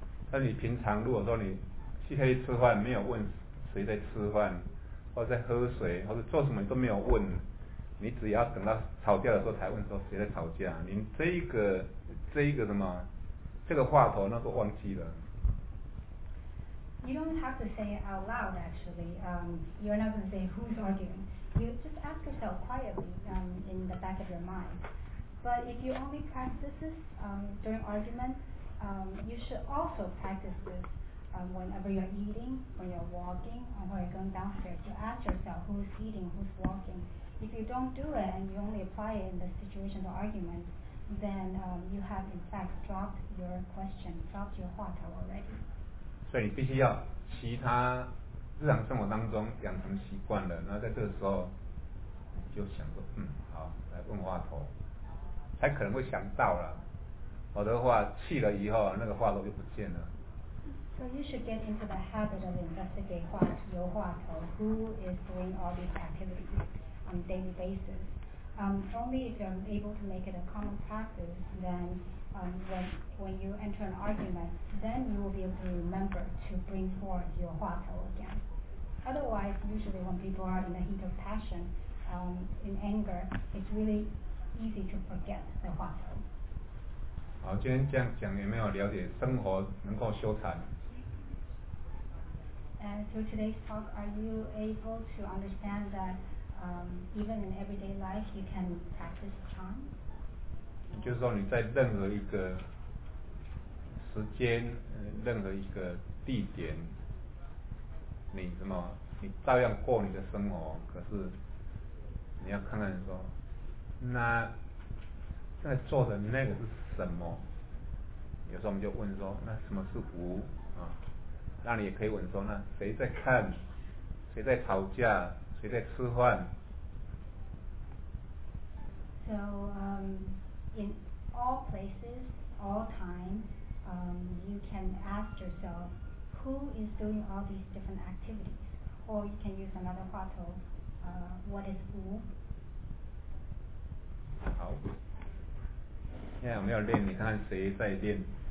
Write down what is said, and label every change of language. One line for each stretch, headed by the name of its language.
Chinese: 但你平常如果说你去黑吃饭，没有问谁在吃饭，或者在喝水，或者做什么都没有问，你只要等到吵架的时候才问说谁在吵架，你这一个什么，这个话头那都忘记了。
English: You don't have to say it out loud, actually. You're not going to say who's arguing. You just ask yourself quietly, in the back of your mind. But if you only practice this during argument, you should also practice this whenever you're eating, when you're walking, or when you're going downstairs. You ask yourself who's eating, who's walking. If you don't do it and you only apply it in the situation of argument, then you have in fact dropped your question, dropped your 话头 already.
Chinese: 所以你必须要其他日常生活当中养成习惯了，那在这个时候就想说，好，来问话头。才可能会想到了，否则的话气了以后那个话头就不见了。
English: So you should get into the habit of investigating 话头, 话头 who is doing all these activities on a daily basis. Only if you're able to make it a common practice, then when you enter an argument, then you will be able to remember to bring forth your 话头 again. Otherwise, usually when people are in the heat of passion, in anger, it's really easy to forget the 话头。
Chinese: 好，今天这样讲有没有了解生活能够修禅？
English: And through today's talk, are you able to understand that even in everyday life you can practice chan?
Chinese: 就是说你在任何一个时间，任何一个地点，你什么，你照样过你的生活，可是你要看看说。那现在做的那个是什么？有时候我们就问说，那什么是无啊？那你也可以问说，那谁在看？谁在吵架？谁在吃饭
English: ？So in all places, all time, you can ask yourself, who is doing all these different activities? Or you can use another 话头, what is 无？
Chinese: 好，现在我们要练，你看看谁在练。